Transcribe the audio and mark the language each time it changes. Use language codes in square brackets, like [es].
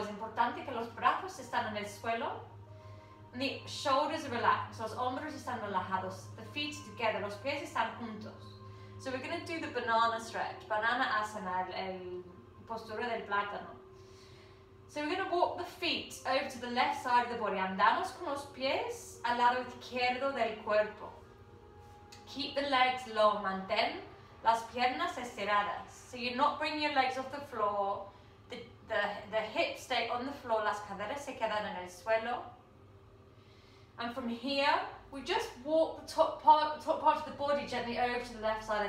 [es] Es importante que los brazos están en el suelo, [en] and the shoulders are relaxed, [es] los hombros están relajados, [en] the feet are together, [es] los pies están juntos. [en] So we're going to do the banana stretch, banana asana, [es] el postura del plátano. [en] So we're going to walk the feet over to the left side of the body. [es] Andamos con los pies al lado izquierdo del cuerpo. [en] Keep the legs low. [es] Mantén las piernas estiradas. [en] So you're not bringing your legs off the floor. The hips stay on the floor. [es] Las caderas se quedan en el suelo. [en] And from here, we just walk the top part of the body gently over to the left side.